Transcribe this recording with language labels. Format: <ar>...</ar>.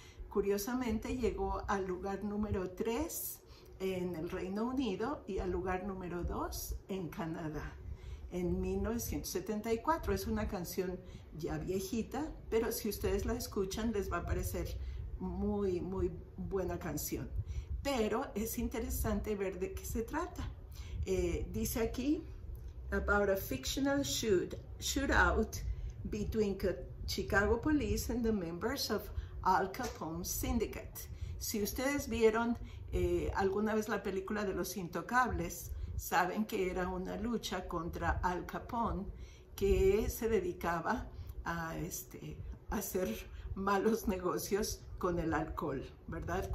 <es>Curiosamente, llegó al lugar número 3 en el Reino Unido y al lugar número 2 en Canadá en 1974. Es una canción ya viejita, pero si ustedes la escuchan les va a parecer muy, muy buena canción. Pero es interesante ver de qué se trata. Dice aquí,</es> <en>about a fictional shootout between Chicago Police and the members of Al Capone Syndicate.</en> <es>Si ustedes vieron alguna vez la película de Los Intocables, saben que era una lucha contra Al Capone, que se dedicaba a hacer malos negocios con el alcohol, ¿verdad?</es>